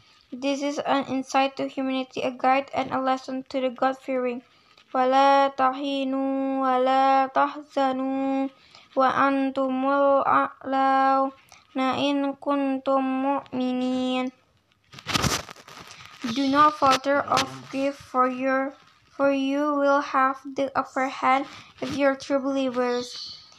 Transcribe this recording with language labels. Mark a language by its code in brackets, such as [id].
[en] This is an insight to humanity, a guide and a lesson to the God-fearing. [ar] وَلَا تَحِنُوا وَلَا تَحْزَنُوا وأنتم الأعلون إن كنتم مؤمنين. [en] Do not falter of grief, for you will have the upper hand if you are true believers.